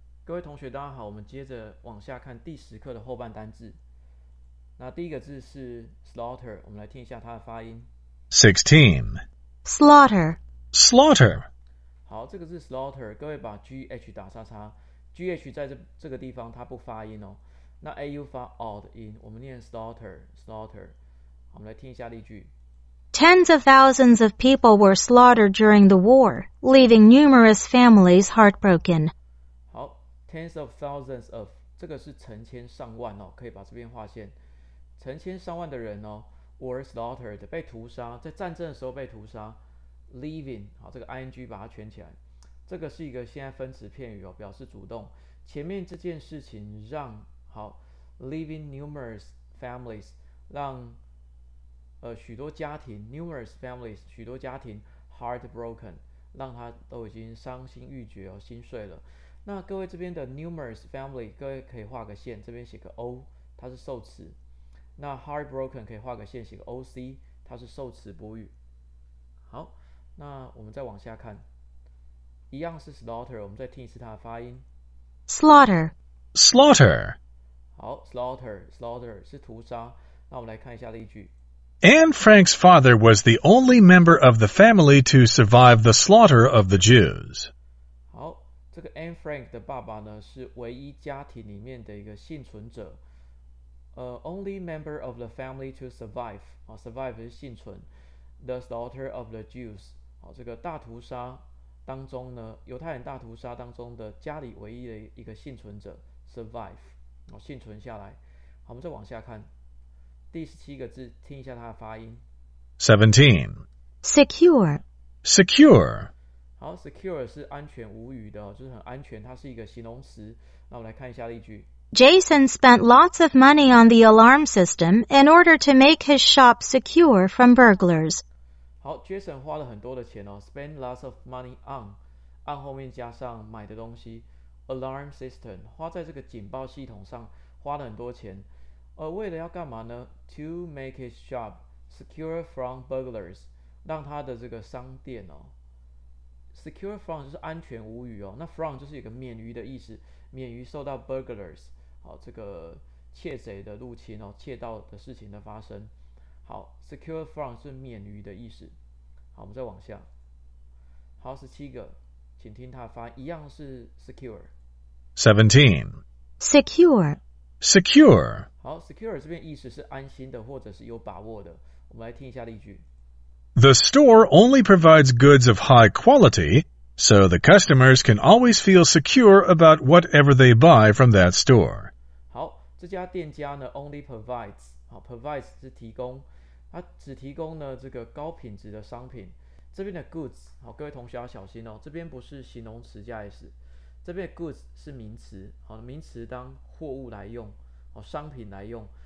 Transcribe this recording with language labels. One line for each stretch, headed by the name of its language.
Chinese: 各位同学，大家好，我们接着往下看第十课的后半单字。那第一个字是 slaughter， 我们来听一下它的发音。 16
English: slaughter slaughter。
Chinese: 好，这个字 slaughter， 各位把 gh 打叉叉 ，gh 在这个地方它不发音哦。那 au 发 odd 音，我们念 slaughter slaughter。好，我们来听一下例句。
English: Tens of thousands of people were slaughtered during the war, leaving numerous families heartbroken. Tens of thousands of
Chinese: 这个是成千上万哦，可以把这边划线。成千上万的人哦 ，
English: were slaughtered
Chinese: 被屠杀，在战争的时候被屠杀。 Leaving 好，这个 ing 把它圈起来，这个是一个现在分词片语哦，表示主动。前面这件事情让好 ，
English: leaving numerous families
Chinese: 让许多家庭
English: numerous families
Chinese: 许多家庭 heartbroken 让他都已经伤心欲绝哦，心碎了。那各位这边的
English: numerous family，
Chinese: 各位可以画个线，这边写个 o， 它是受词。那 heartbroken 可以画个线，写个 o c， 它是受词补语。好，那我们再往下看，一样是 slaughter， 我们再听一次它的发音
English: ，slaughter， slaughter。
Chinese: 好 ，slaughter， slaughter 是屠杀。那我们来看一下例句
English: ：Anne Frank's father was the only member of the family to survive the slaughter of the Jews。
Chinese: 这个 Anne Frank 的爸爸呢，是唯一家庭里面的一个幸存者。
English: Only member of the family to survive 啊 ，survive
Chinese: 是幸存。
English: The slaughter of the Jews
Chinese: 啊，这个大屠杀当中呢，犹太人大屠杀当中的家里唯一的一个幸存者 ，survive 啊，幸存下来。好，我们再往下看第十七个字，听一下它的发音。 17
English: secure secure。
Chinese: 好 ，secure 是安全无虞的，就是很安全，它是一个形容词。那我们来看一下例句
English: ：Jason spent lots of money on the alarm system in order to make his shop secure from burglars.
Chinese: 好 ，Jason 花了很多的钱哦 ，
English: spend lots of money on，
Chinese: 按后面加上买的东西 ，
English: alarm system，
Chinese: 花在这个警报系统上花了很多钱，为了要干嘛呢 ？
English: To make his shop secure from burglars，
Chinese: 让他的这个商店哦。
English: Secure from
Chinese: 就是安全无虞哦，那 from 就是一个免于的意思，免于受到 burglars 好这个窃贼的入侵哦，窃盗的事情的发生。好 ，
English: secure from
Chinese: 是免于的意思。好，我们再往下。好，十七个，请听它发一样是 secure。 17
English: secure secure
Chinese: 好 ，secure 这边意思是安心的或者是有把握的。我们来听一下例句。
English: The store only provides goods of high quality, so the customers can always feel secure about whatever they buy from that store.
Chinese: 好，这家店家呢 ，
English: only provides，
Chinese: 好 ，provides 是提供，它只提供呢这个高品质的商品。这边的 goods， 好，各位同学要小心哦，这边不是形容词加 s， 这边的 goods 是名词，好，名词当货物来用，好，商品来用。